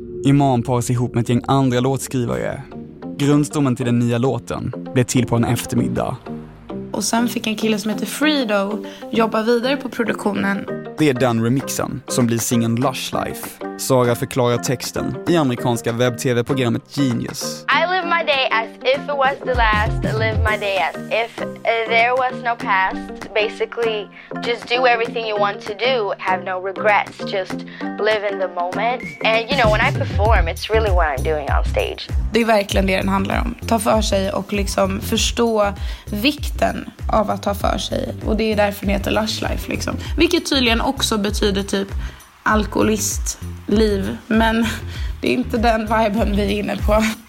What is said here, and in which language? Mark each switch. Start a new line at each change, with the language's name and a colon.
Swedish: Iman paras ihop med ett gäng andra låtskrivare. Grundstommen till den nya låten blev till på en eftermiddag. Och sen fick en kille som heter Fredo jobba vidare på produktionen. Det är den remixen som blir singen Lush Life. Sara förklarar texten i amerikanska webb-tv-programmet Genius.
English: I live my day as if it was the last. I live my day as if there was no past. Basically, just do everything you want to do. Have no regrets. Just live in the moment. And you know, when I perform, it's really what I'm doing on stage.
Swedish: Det är verkligen det den handlar om. Ta för sig och liksom förstå vikten av att ta för sig. Och det är därför den heter Lush Life liksom. Vilket tydligen också betyder typ alkoholistliv, men det är inte den viben vi är inne på.